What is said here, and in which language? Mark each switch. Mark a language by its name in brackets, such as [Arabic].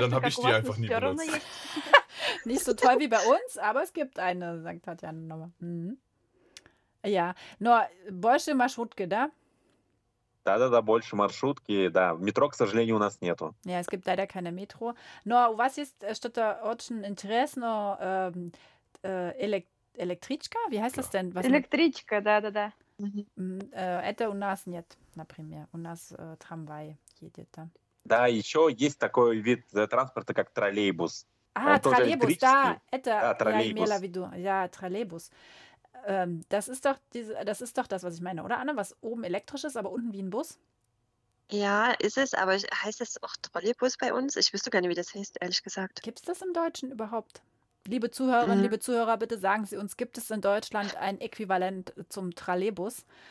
[German] Dann habe ich die einfach nie benutzt. Nicht so toll wie bei uns, aber es gibt eine, sagt Tatjana nochmal. Mhm. Ja, nur [Russian] больше маршрутки, да? Да-да-да, больше маршрутки, да. Метро, к сожалению, у нас нету. [German] Ja, es gibt leider keine Metro. Nur, [Russian] у вас есть что-то очень интересное, электричка? [German] Wie heißt das denn? Was [Russian] электричка, да-да-да. Это у нас нет, например. У нас трамвай едет там. Да, еще есть такой вид транспорта, как троллейбус. А, троллейбус, да. Это троллейбус. Я имела в виду. [German] Ja, троллейбус. Das ist doch das, was ich meine, oder Anne? Was oben elektrisch ist, aber unten wie ein Bus? Ja, ist es, aber heißt das auch Trolleybus bei uns? Ich wüsste gar nicht, wie das heißt, ehrlich gesagt. Gibt es das im Deutschen überhaupt? Liebe Zuhörerinnen, liebe Zuhörer, bitte sagen Sie uns, gibt es in Deutschland ein Äquivalent zum Trolleybus?